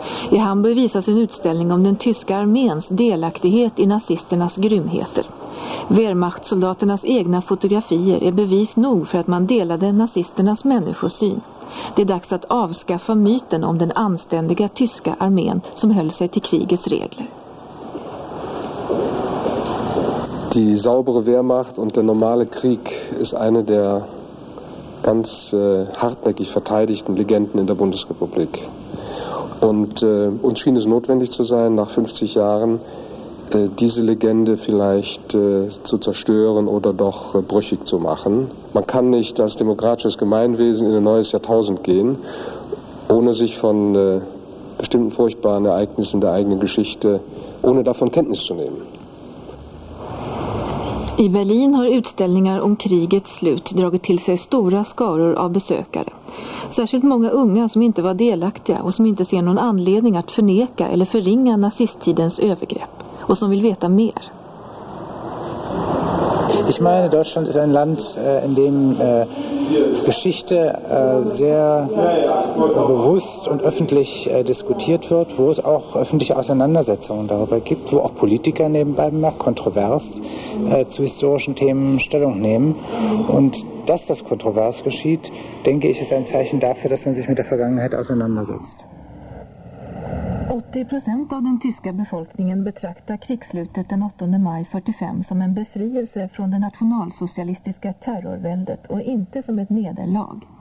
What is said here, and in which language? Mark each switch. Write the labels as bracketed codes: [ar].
[sv] I Hamburg visas en utställning om den tyska arméns delaktighet i nazisternas grymheter. Wehrmachtssoldaternas egna fotografier är bevis nog för att man delade nazisternas människosyn. Det är dags att avskaffa myten om den anständiga tyska armén som höll sig till krigets regler. [de] Die saubere Wehrmacht und der normale Krieg ist eine der ganz hartnäckig verteidigten Legenden in der Bundesrepublik. Und uns schien es notwendig zu sein, nach 50 Jahren diese Legende vielleicht zu zerstören oder doch brüchig zu machen. Man kann nicht als demokratisches Gemeinwesen in ein neues Jahrtausend gehen, ohne sich von bestimmten furchtbaren Ereignissen der eigenen Geschichte, ohne davon Kenntnis zu nehmen. [sv] I Berlin har utställningar om krigets slut dragit till sig stora skaror av besökare. Särskilt många unga som inte var delaktiga och som inte ser någon anledning att förneka eller förringa nazisttidens övergrepp och som vill veta mer. [de] Ich meine, Deutschland ist ein Land, in dem Geschichte sehr bewusst und öffentlich diskutiert wird, wo es auch öffentliche Auseinandersetzungen darüber gibt, wo auch Politiker nebenbei noch kontrovers zu historischen Themen Stellung nehmen. Und dass das kontrovers geschieht, denke ich, ist ein Zeichen dafür, dass man sich mit der Vergangenheit auseinandersetzt. [sv] 80% av den tyska befolkningen betraktar krigsslutet den 8 maj 45 som en befrielse från det nationalsocialistiska terrorväldet och inte som ett nederlag.